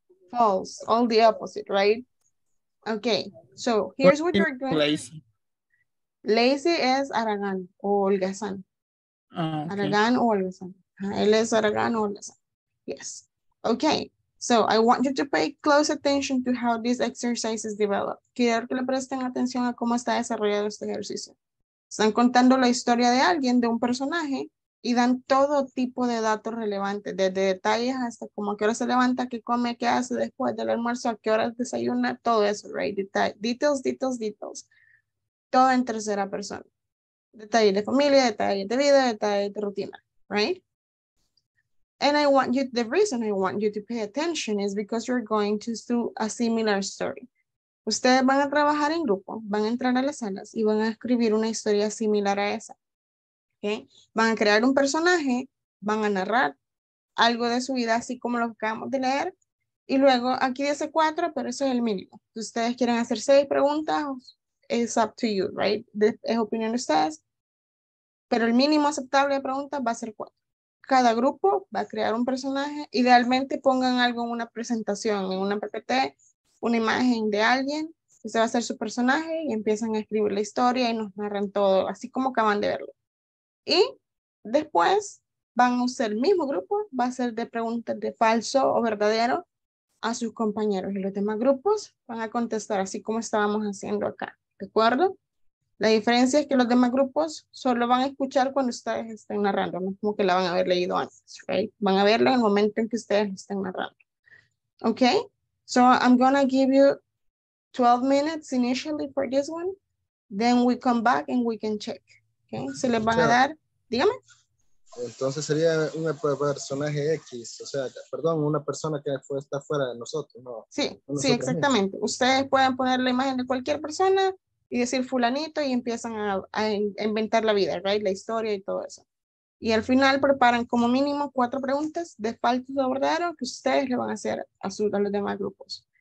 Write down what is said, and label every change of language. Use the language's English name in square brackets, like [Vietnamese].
[English] False, all the opposite, right? Okay, so here's what you're going to lazy. Lazy is [Spanish] Aragán o Holgazán. [English] Okay. [Spanish] Aragán o Holgazán. Él es Aragán o Holgazán. [English] Yes. Okay, so I want you to pay close attention to how this exercise is developed. [Spanish] Quiero que le presten atención a cómo está desarrollado este ejercicio. Están contando la historia de alguien, de un personaje, y dan todo tipo de datos relevantes, desde detalles hasta como a qué hora se levanta, qué come, qué hace después del almuerzo, a qué hora desayuna, todo eso, [English] right? Details. [Spanish] Todo en tercera persona. Detalles de familia, detalles de vida, detalles de rutina, [English] right? And I want you, the reason I want you to pay attention is because you're going to do a similar story. [Spanish] Ustedes van a trabajar en grupo, van a entrar a las salas y van a escribir una historia similar a esa. Okay. Van a crear un personaje, van a narrar algo de su vida, así como lo acabamos de leer. Y luego, aquí dice 4, pero eso es el mínimo. Si ustedes quieren hacer 6 preguntas, [English] it's up to you, right? [Spanish] Es opinión de ustedes. Pero el mínimo aceptable de preguntas va a ser 4. Cada grupo va a crear un personaje. Idealmente pongan algo en una presentación, en una PPT, una imagen de alguien. Ese va a ser su personaje y empiezan a escribir la historia y nos narran todo, así como acaban de verlo. Y después van a usar el mismo grupo, va a ser de preguntas de falso o verdadero a sus compañeros. Y los demás grupos van a contestar así como estábamos haciendo acá, ¿de acuerdo? La diferencia es que los demás grupos solo van a escuchar cuando ustedes estén narrando, no como que la van a haber leído antes, [English] ¿right? [Spanish] Van a verlo en el momento en que ustedes estén narrando. ¿Ok? [English] So I'm going to give you 12 minutes initially for this one, then we come back and we can check. [Spanish] Okay, se les van a dar, dígame. Entonces sería un personaje X, o sea, perdón, una persona que fue, está fuera de nosotros, ¿no? Sí, nosotros sí, exactamente. X. Ustedes pueden poner la imagen de cualquier persona y decir fulanito y empiezan a inventar la vida, [English] right? [Spanish] La historia y todo eso. Y al final preparan como mínimo 4 preguntas de falso o verdadero que ustedes le van a hacer a los demás grupos.